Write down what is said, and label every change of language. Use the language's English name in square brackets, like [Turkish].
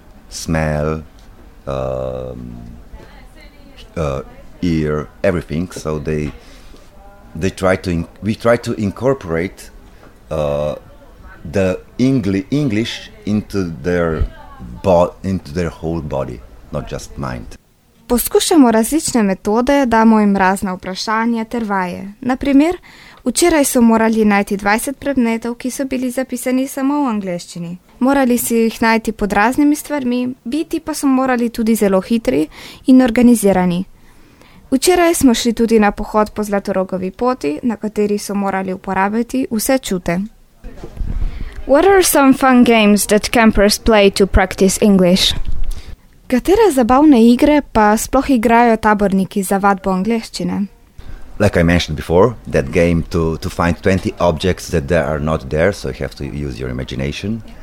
[English] Smell, ear, everything. So we try to incorporate the English into their whole body, not just mind. [Slovenian] Poskušamo različne metode, damo jim razna vprašanja ter vaje. Naprimer, včeraj so morali najti 20 predmetov, ki so bili zapisani samo v angleščini. Morali si jih najti pod raznimi stvarmi, biti pa so morali tudi zelo hitri in organizirani. Včeraj smo šli tudi na pohod po Zlatorogovi poti, na kateri so morali uporabiti vse čute. [English] What are some fun games that campers play to practice English? [Slovenian] Katere zabavne igre pa sploh igrajo taborniki za vadbo angleščine? [English] Like I mentioned before, that game to find 20 objects that there are not there, so you have to use your imagination.